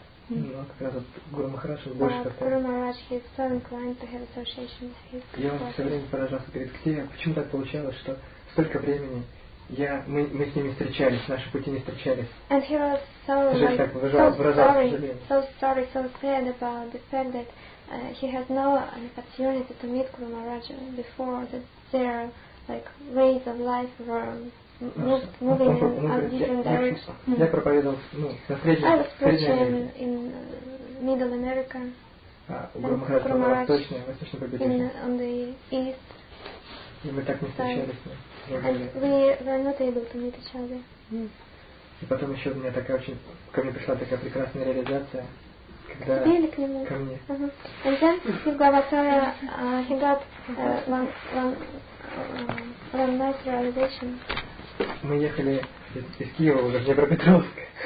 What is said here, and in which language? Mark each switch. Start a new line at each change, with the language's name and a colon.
Russian: Ну, как раз вот Гуру Махарадж больше как-то. Я вам все время поражался перед Ксией, почему так получалось, что столько времени мы с ними встречались, наши пути не встречались.
English: And he was so sad about the fact that he had no opportunity to meet Guru Maharaj before that their like ways of life were moving in different directions.
Russian: Я проповедовал на Средней Америке.
English: In Middle America.
Russian: Гуру Махарадж был в восточном побережье.
English: On the east.
Russian: И мы так не встречались.
English: We were not able to meet each other.
Russian: И потом еще у меня такая очень ко мне пришла такая прекрасная реализация, когда ко мне.
English: Uh-huh. And then he got one nice realization.
Russian: Мы ехали из Киева уже в Днепропетровск.